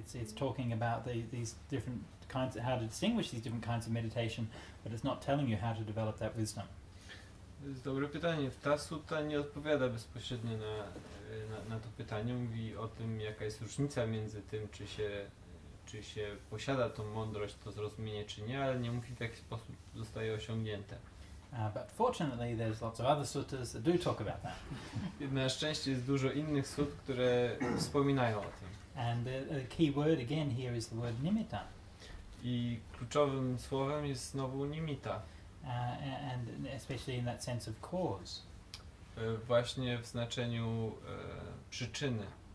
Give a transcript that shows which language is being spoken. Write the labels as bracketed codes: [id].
[en] It's talking about these different kinds of, how to distinguish these different kinds of meditation, but it's not telling you how to develop that wisdom. [pl] To jest dobre pytanie. Ta sutta nie odpowiada bezpośrednio na to pytanie. Mówi o tym, jaka jest różnica między tym, czy się posiada tą mądrość, to zrozumienie, czy nie, ale nie mówi, w jaki sposób zostaje osiągnięte. [en] But fortunately, there's lots of other suttas that do talk about that. [pl] Na szczęście jest dużo innych sutt, które wspominają o tym. [en] And the key word again here is the word nimitta. [pl] I kluczowym słowem jest znowu nimitta. [en] And especially in that sense of cause. [pl] właśnie w znaczeniu przyczyny.